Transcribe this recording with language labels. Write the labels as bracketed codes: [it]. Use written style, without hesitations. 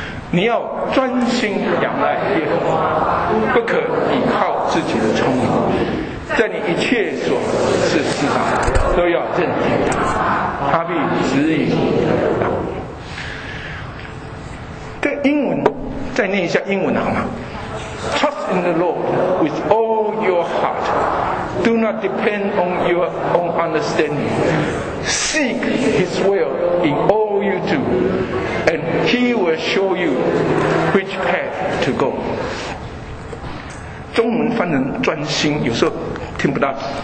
[zh] 你要专心仰赖耶和华，不可依靠自己的聪明，在你一切所事之上都要认定他，他必指引你的道路。这英文再念一下英文好吗？ [en] Trust in the Lord with all your heart. Do not depend on your own understanding. Seek His will in all you do, and He will show you which path to go. [zh] 中文翻成专心，有时候听不到。